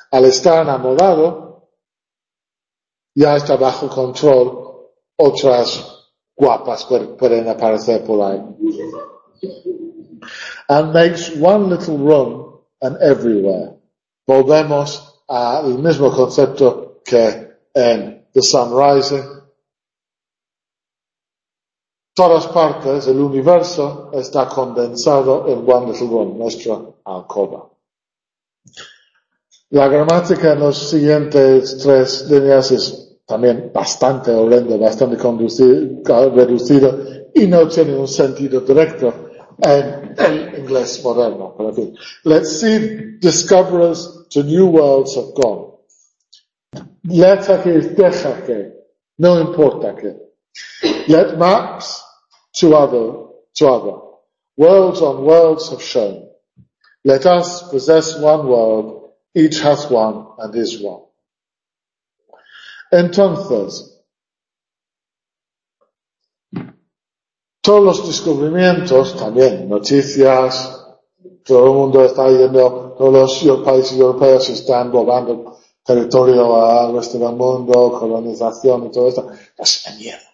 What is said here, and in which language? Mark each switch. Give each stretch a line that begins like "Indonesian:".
Spanish: Al estar enamorado, ya está bajo control, otras guapas pueden aparecer por ahí.
English: And makes one little room and everywhere.
Spanish: Volvemos al mismo concepto que en The Sun Rising. Todas partes, el universo está condensado en
English: one little room,
Spanish: nuestra alcoba. La gramática en las siguientes tres líneas es también bastante horrenda, bastante reducida y no tiene un sentido directo en el inglés moderno. Pero en fin,
English: let's see discoverers to new worlds have gone.
Spanish: Let aquí, deja que, no importa que.
English: Let maps to other. Worlds on worlds have shown. Let us possess one world, each hath one and is one.
Spanish: Entonces, todos los descubrimientos, también noticias, todo el mundo está yendo, todos los países europeos están robando territorio al resto del mundo, colonización y todo esto, es mierda.